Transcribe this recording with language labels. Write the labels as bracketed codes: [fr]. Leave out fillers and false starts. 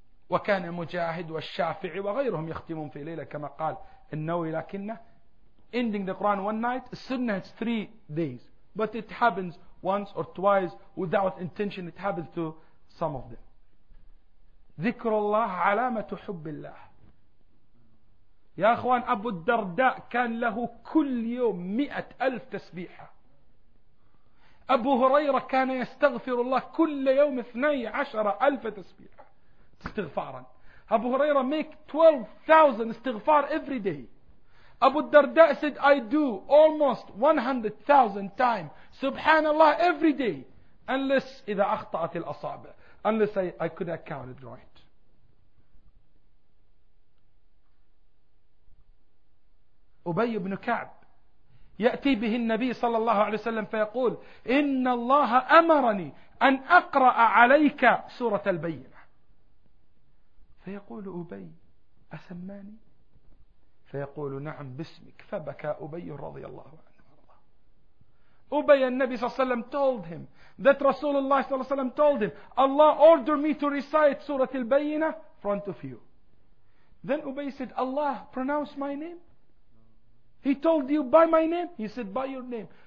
[ar] وَكَانَ مُجَاهِدْ وَالشَّافِعِ وَغَيْرُهُمْ يَخْتِمُونَ فِي لَيْلَةٍ كَمَا قَالَ النَّوِي لَكِنَّهُ [en] Ending the Quran one night, Sunnah is 3 days. But it happens once or twice without intention. It happens to some of them. [ar] ذِكْرُ اللَّهِ عَلَامَةُ حُبِّ اللَّهِ. يا أخوان, أبو الدرداء كان له كل يوم 100,000 تسبيحة. أبو هريرة كان يستغفر الله كل يوم 12,000 تسبيحة استغفارا. [en] أبو هريرة make 12,000 استغفار every day. أبو الدرداء said I do almost 100,000 times سبحان الله every day unless [ar] إذا أخطأت الأصابع, [en] unless I could account it right. أبي بن كعب يأتي به النبي صلى الله عليه وسلم فيقول إن الله أمرني أن أقرأ عليك سورة البينة, فيقول أبي أسماني؟ فيقول نعم باسمك. [ar] فبكى أبي رضي الله عنه. أبي النبي صلى الله عليه وسلم [en] told him that [ar] رسول الله صلى الله عليه وسلم [en] told him Allah ordered me to recite سورة البينة front of [ar] you. [en] Then أبي said Allah pronounce my name, he told you by my name, he said by your name.